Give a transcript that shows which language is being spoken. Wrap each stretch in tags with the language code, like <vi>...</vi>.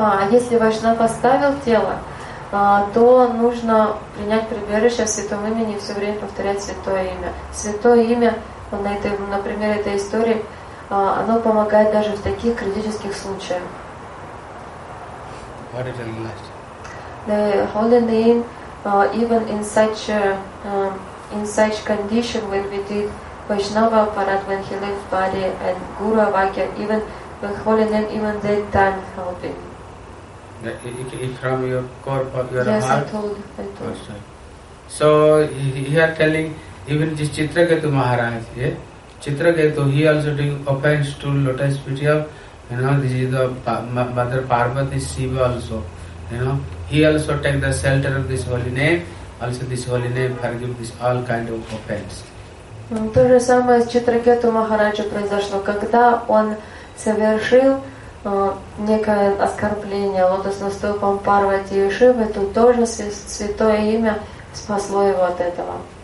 <ru>Если вайшнав поставил тело, то нужно принять прибежище в святом имени и все время повторять святое имя. Святое имя, например, этой истории, оно помогает даже в таких критических случаях.</ru> <en>What is the last? The holy name, even in such condition when we did Vaishnava Aparad when he left body and Guru Avakya, even the holy name, even that time helping. It's from your core of your yes, heart? Yes, I told. So, he are telling, even this Chitraketu Maharaj, yeah? Chitraketu, he also doing offense to lotus feet of, you know, this is the Mother Parvati Shiva also, you know. He also take the shelter of this holy name, also this holy name forgive this all kind of offense.</en> <ru>То же самое с Читракету Махараджа произошло, когда он совершил некое оскорбление лотосным стопом Парвати и Шивы, то тоже святое имя спасло его от этого.</ru>